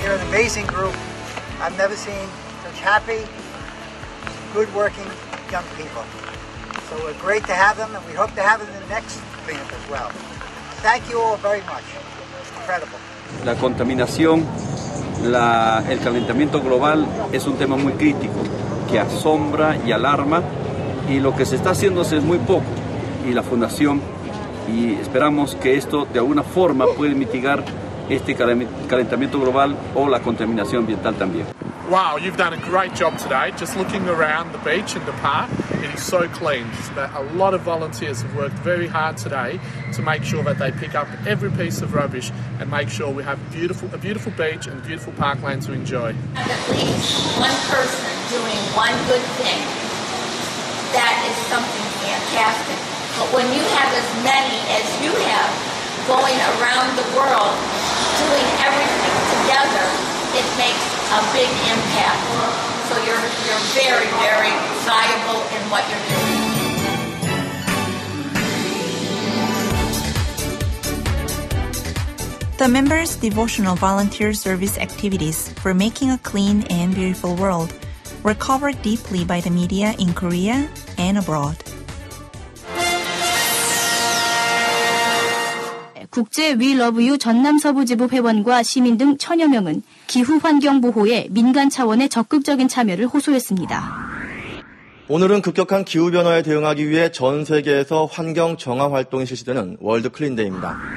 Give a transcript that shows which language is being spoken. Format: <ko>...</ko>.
<en>Amazing group. I've never seen such happy, good working young people. So we're great to have them, and we hope to have them in the next cleanup as well. Thank you all very much. It's incredible.</en> <es>La contaminación el calentamiento global es un tema muy crítico que asombra y alarma, y lo que se está haciendo es muy poco, y la fundación, y esperamos que esto de alguna forma puede mitigar este calentamiento global o la contaminación ambiental también.</es> <en>Wow, you've done a great job today. Just looking around the beach and the park, it is so clean. A lot of volunteers have worked very hard today to make sure that they pick up every piece of rubbish and make sure we have a beautiful beach and beautiful parkland to enjoy. At least one person doing one good thing, that is something fantastic. But when you have as many as you have going around the world doing everything together, it makes a big impact. So you're very, very valuable in what you're doing. The members' devotional volunteer service activities for making a clean and beautiful world were covered deeply by the media in Korea and abroad.</en> <ko>국제 WeLoveU 전남서부지부 회원과 시민 등 천여 명은 기후 환경 보호에 민간 차원의 적극적인 참여를 호소했습니다. 오늘은 급격한 기후 변화에 대응하기 위해 전 세계에서 환경 정화 활동이 실시되는 월드 클린데이입니다.</ko>